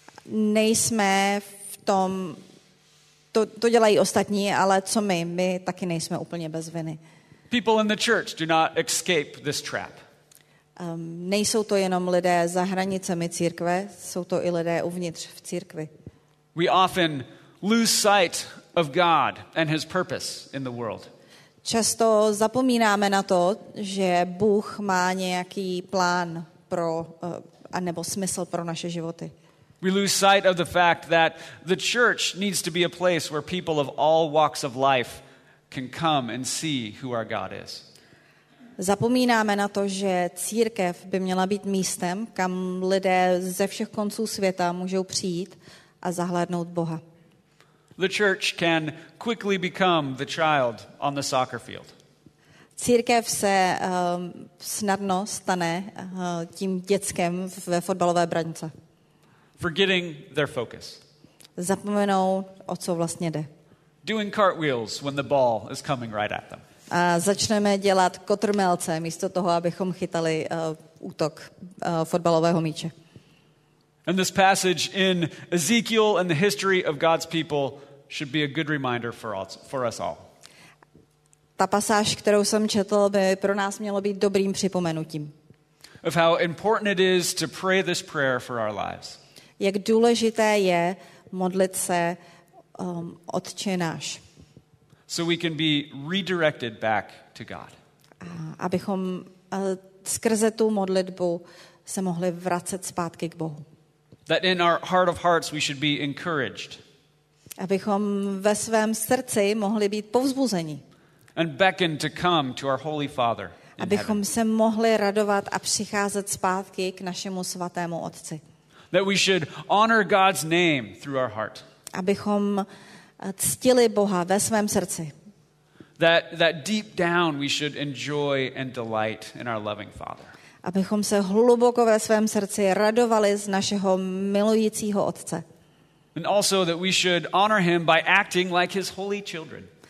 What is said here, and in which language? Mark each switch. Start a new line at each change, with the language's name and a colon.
Czech: Nejsme v tom, to dělají ostatní, ale co my taky nejsme úplně bez viny.
English: People in the church do not escape this trap.
Czech: Nejsou to jenom lidé za hranicemi církve, jsou to i lidé uvnitř v církvi.
English: We often lose sight of God and his purpose in the world.
Czech: Často zapomínáme na to, že Bůh má nějaký plán pro anebo smysl pro naše životy.
English: We lose sight of the fact that the church needs to be a place where people of all walks of life can come and see who our God is.
Czech: Zapomínáme na to, že církev by měla být místem, kam lidé ze všech konců světa můžou přijít a zahlédnout Boha.
English: The church can quickly become the child on the soccer field.
Czech: Církev se snadno stane tím dětskem ve fotbalové brance.
English: Forgetting their focus.
Czech: Zapomenou, o co vlastně jde.
English: Doing cartwheels when the ball is coming right at them.
Czech: A začneme dělat kotrmelce místo toho, abychom chytali útok fotbalového míče.
English: And this passage in Ezekiel and the history of God's people should be a good reminder for us all.
Czech: Ta pasáž, kterou jsem četl, by pro nás mělo být dobrým připomenutím.
English: Of how important it is to pray this prayer for our lives.
Czech: Jak důležité je modlit se Otče náš.
English: So we can be redirected back to God.
Czech: Abychom skrze tu modlitbu se mohli vracet zpátky k Bohu.
English: That in our heart of hearts we should be encouraged.
Czech: Abychom ve svém srdci mohli být povzbuzeni.
English: And beckon to come to our holy Father.
Czech: Abychom se mohli radovat a přicházet zpátky k našemu svatému Otci.
English: That we should honor God's name through our heart.
Czech: Abychom ctili Boha ve svém srdci.
English: That deep down we should enjoy and delight in our loving Father.
Czech: Abychom se hluboko ve svém srdci radovali z našeho milujícího Otce.
English: And also that we should honor him by acting like his holy children.